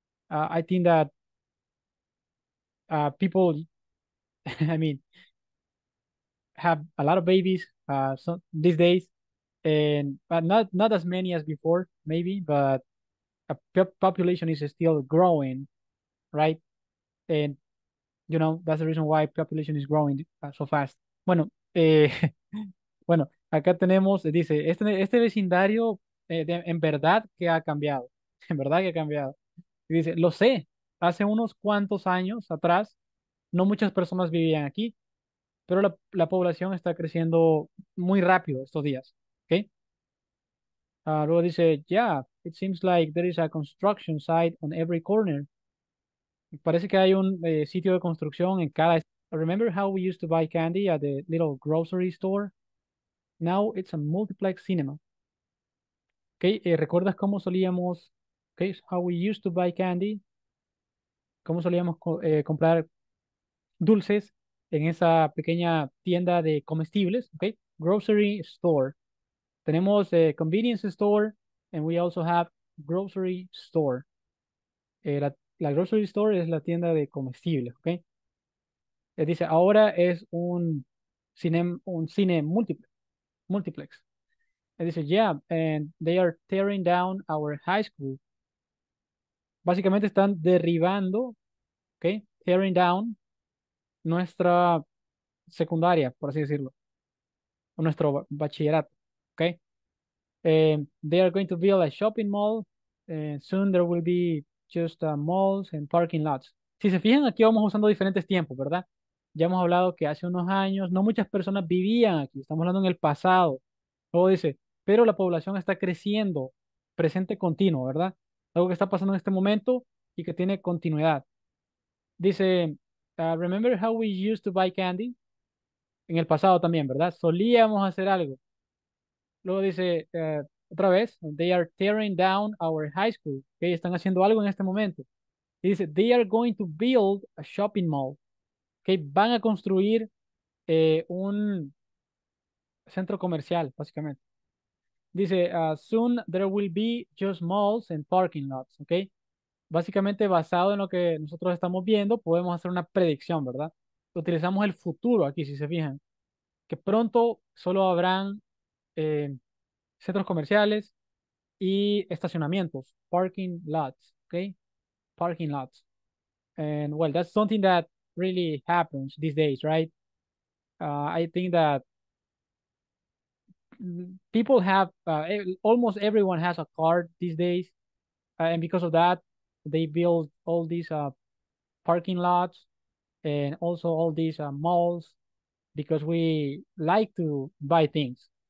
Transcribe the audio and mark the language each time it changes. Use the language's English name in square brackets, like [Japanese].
[English] I think that people, have a lot of babies these days, but not as many as before, maybe, but a population is still growing, right? And, you know, that's the reason why population is growing so fast. [Spanish] Bueno, acá tenemos, dice, este vecindario en verdad que ha cambiado. En verdad que ha cambiado. Y dice, lo sé, hace unos cuantos años atrás, no muchas personas vivían aquí, pero la población está creciendo muy rápido estos días, ¿okay? Luego dice, [English] yeah, it seems like there is a construction site on every corner. [Spanish] Parece que hay un sitio de construcción en cada... [English] Remember how we used to buy candy at the little grocery store? Now it's a multiplex cinema. ¿Okay? [Spanish] ¿Recuerdas cómo solíamos... [English] ¿Okay? How we used to buy candy? [Spanish] ¿Cómo solíamos comprar dulces en esa pequeña tienda de comestibles? [English] ¿Okay? Grocery store. [Spanish] Tenemos [English] a convenience store and we also have grocery store. [Spanish] La grocery store es la tienda de comestibles, ¿ok? Dice, ahora es un cine multiplex. Dice, [English] yeah, and they are tearing down our high school. [Spanish] Básicamente están derribando, ¿ok? [English] Tearing down [Spanish] nuestra secundaria, por así decirlo. O nuestro bachillerato, ¿ok? [English] They are going to build a shopping mall. Soon there will be just malls and parking lots. [Spanish] Si se fijan, aquí vamos usando diferentes tiempos, ¿verdad? Ya hemos hablado que hace unos años no muchas personas vivían aquí. Estamos hablando en el pasado. Luego dice, pero la población está creciendo presente continuo, ¿verdad? Algo que está pasando en este momento y que tiene continuidad. Dice, [English] remember how we used to buy candy? [Spanish] En el pasado también, ¿verdad? Solíamos hacer algo. Luego dice, otra vez, [English] they are tearing down our high school. [Spanish] ¿Okay? Están haciendo algo en este momento. Y dice, [English] they are going to build a shopping mall. [Spanish] ¿Okay? Van a construir un centro comercial, básicamente. Dice, [English] soon there will be just malls and parking lots, ¿ok? [Spanish] Básicamente, basado en lo que nosotros estamos viendo, podemos hacer una predicción, ¿verdad? Utilizamos el futuro aquí, si se fijan. Que pronto solo habrán centros comerciales y estacionamientos, parking lots, ¿ok? [English] Parking lots. And, well, that's something that really happens these days, right? I think that people have, almost everyone has a car these days, and because of that, they build all these parking lots and also all these malls, because we like to buy things.